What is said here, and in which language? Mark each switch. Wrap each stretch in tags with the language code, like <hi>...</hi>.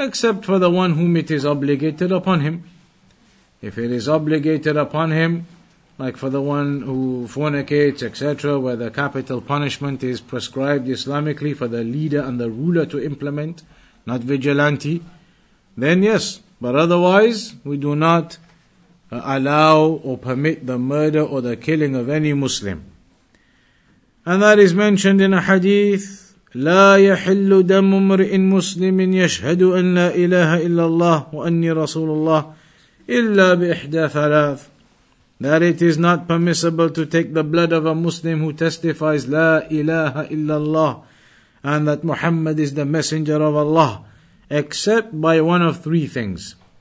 <en>except for the one whom it is obligated upon him. If it is obligated upon him, like for the one who fornicates, etc., where the capital punishment is prescribed Islamically for the leader and the ruler to implement, not vigilante, then yes, but otherwise we do not allow or permit the murder or the killing of any Muslim. And that is mentioned in a hadith,</en> <ar>لا يحل دم امرئ مسلم يشهد أن لا إله إلا الله وأني رسول الله إلا بإحدى ثلاث.</ar> <en>That it is not permissible to take the blood of a Muslim who testifies La ilaha illallah and that Muhammad is the messenger of Allah except by one of three things.</en>